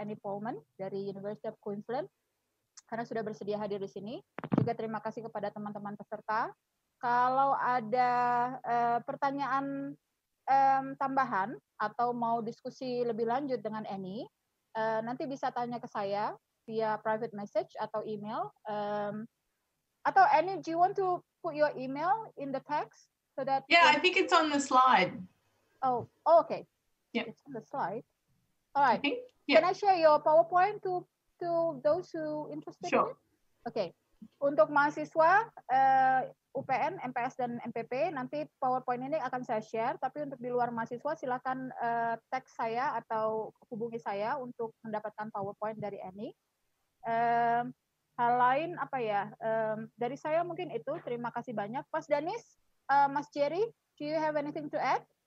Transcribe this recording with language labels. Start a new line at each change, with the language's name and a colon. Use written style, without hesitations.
Indonesian: Annie Pohlman dari University of Queensland karena sudah bersedia hadir di sini. Juga terima kasih kepada teman-teman peserta. Kalau ada pertanyaan tambahan atau mau diskusi lebih lanjut dengan Annie, nanti bisa tanya ke saya via private message atau email.
English: Atau Annie, do you want to put your email in the text so that? Yeah, I think it's on the slide. Oh okay. Yeah, it's on the slide. All right. Can I share your PowerPoint to those who interested? Sure. Okay.
Indonesian: Untuk mahasiswa UPN, MPS dan MPP, nanti PowerPoint ini akan saya share. Tapi untuk di luar mahasiswa, silakan teks saya atau hubungi saya untuk mendapatkan PowerPoint dari Annie. Hal lain apa ya, dari saya mungkin itu, terima kasih banyak.
English: Mas Danis, Mas Jerry, do you have anything to add?